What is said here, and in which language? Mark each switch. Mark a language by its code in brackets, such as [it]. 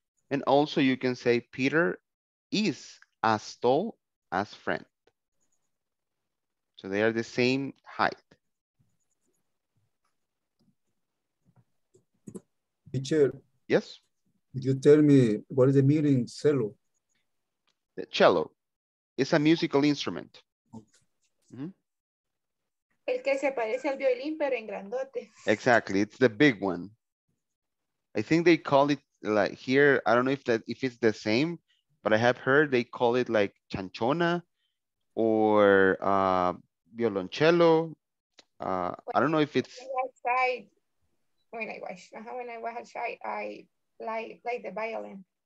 [en] And also you can say Peter is as tall as Fred. So they are the same height. Teacher. Yes. Could you tell me what is the meaning cello? The cello is a musical instrument. [es] El que se parece al violín, pero en grandote. [en] Exactly, it's the big one. I think they call it like here, I don't know if it's the same, but I have heard they call it like chanchona or violoncello. I don't know if it's. When I was outside, I played the violin.